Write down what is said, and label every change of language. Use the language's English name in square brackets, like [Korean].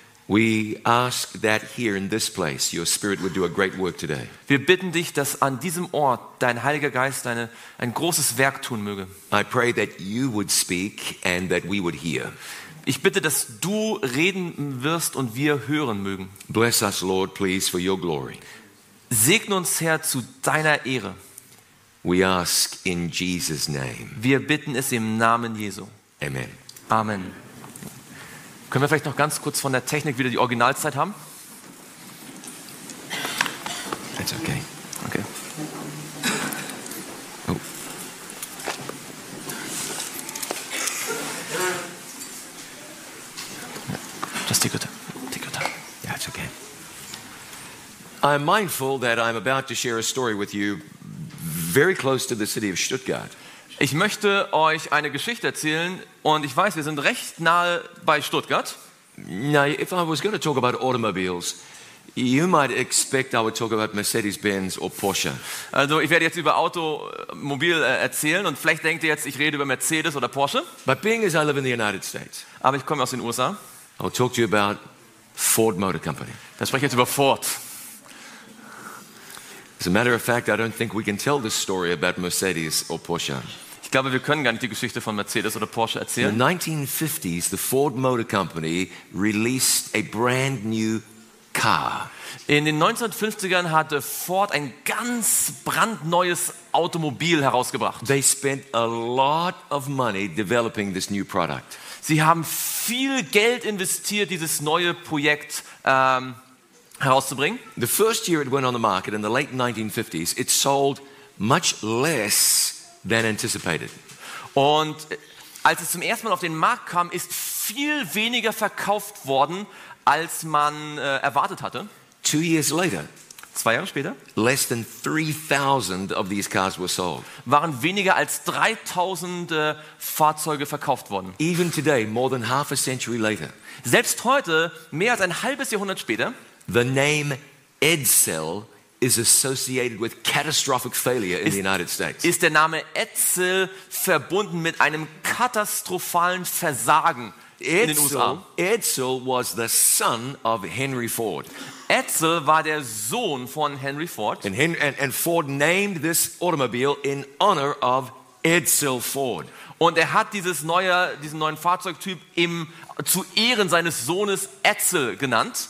[English] We ask that here in this place your spirit would do a great work today. [German] Wir bitten dich, dass an diesem Ort dein Heiliger Geist ein großes Werk tun möge. [English] I pray that you would speak and that we would hear. [German] Ich bitte, dass du reden wirst und wir hören mögen. [English] Bless us, Lord, please, for your glory. [German] Segne uns, Herr, zu deiner Ehre. [English] We ask in Jesus' name. [German] Wir bitten es im Namen Jesu. [English] Amen. [German] Amen. Können wir vielleicht noch ganz kurz von der Technik wieder die Originalzeit haben? [English] That's okay. Okay. Oh. Just take your time. Take your time. Yeah, it's okay. I'm mindful that I'm about to share a story with you. Very close to the city of Stuttgart. [German] Ich möchte euch eine Geschichte erzählen und ich weiß, wir sind recht nahe bei Stuttgart. [English] Now, if I was going to talk about automobiles, you might expect I would talk about Mercedes-Benz or Porsche. [German] Also, ich werde jetzt über Automobil erzählen und vielleicht denkt ihr jetzt, ich rede über Mercedes oder Porsche. [English] But being as I live in the United States. [German] Aber ich komme aus den USA. [English] I'll talk to you about Ford Motor Company. [German] Da spreche ich jetzt über Ford. [English] As a matter of fact, I don't think we can tell this story about Mercedes or Porsche. [German] Ich glaube, wir können gar nicht die Geschichte von Mercedes oder Porsche erzählen. [English] In the 1950s, the Ford Motor Company released a brand new car. [German] In den 1950ern hatte Ford ein ganz brandneues Automobil herausgebracht. [English] They spent a lot of money developing this new product. [German] Sie haben viel Geld investiert, dieses neue Projekt herauszubringen. [English] The first year it went on the market in the late 1950s, it sold much less than anticipated. [German] Und als es zum ersten Mal auf den Markt kam, ist viel weniger verkauft worden, als man erwartet hatte. [English] 2 years later, [German] 2 Jahre später, [English] less than 3,000 of these cars were sold. [German] Waren weniger als 3,000 Fahrzeuge verkauft worden. [English] Even today, more than half a century later, [German] selbst heute, mehr als ein halbes Jahrhundert später, [English] the name Edsel is associated with catastrophic failure in the United States. [German] Ist der Name Edsel verbunden mit einem katastrophalen Versagen in den USA? [English] Edsel was the son of Henry Ford. [German] Edsel war der Sohn von Henry Ford. [English] And Ford named this automobile in honor of Edsel Ford. [German] Und hat diesen neuen Fahrzeugtyp zu Ehren seines Sohnes Edsel genannt.